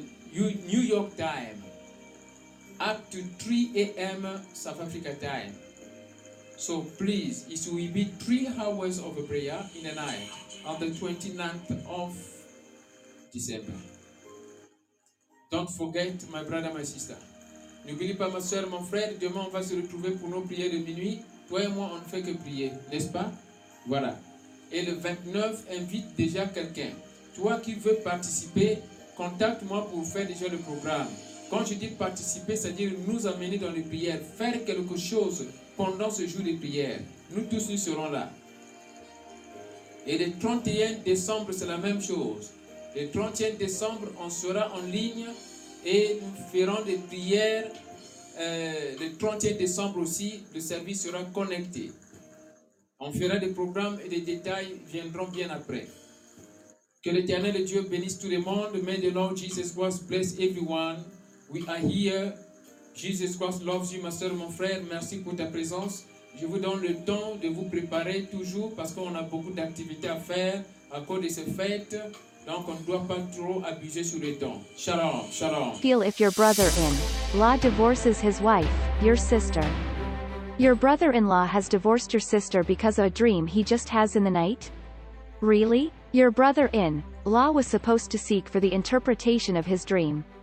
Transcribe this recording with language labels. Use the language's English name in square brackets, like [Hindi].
[English] New York time, up to 3 a.m. South Africa time. So please, it will be 3 hours of a prayer in the night on the 29th of December. Don't forget, my brother, my sister. [French] N'oublie pas, ma soeur, mon frère, demain on va se retrouver pour nos prières de minuit. Toi et moi, on ne fait que prier, n'est-ce pas? Voilà. Et le 29, invite déjà quelqu'un. Toi qui veux participer, contacte-moi pour faire déjà le programme. Quand je dis participer, c'est-à-dire nous amener dans les prières, faire quelque chose pendant ce jour de prière. Nous tous, nous serons là. Et le 31 décembre, c'est la même chose. Le 31 décembre, on sera en ligne et nous ferons des prières. Le 31 décembre aussi, le service sera connecté. On fera des programmes et des détails viendront bien après. Que l'Éternel Dieu bénisse tout le monde. [English] May the Lord Jesus Christ bless everyone. We are here. Jesus Christ loves you, [French] ma soeur, mon frère. Merci pour ta présence. Je vous donne le temps de vous préparer toujours parce qu'on a beaucoup d'activités à faire à cause de ces fêtes. Donc on ne doit pas trop abuser sur les temps. Shalom, shalom. [English] Feel if your brother-in-law divorces his wife, your sister. Your brother-in-law has divorced your sister because of a dream he just has in the night? Really? Your brother-in-law was supposed to seek for the interpretation of his dream.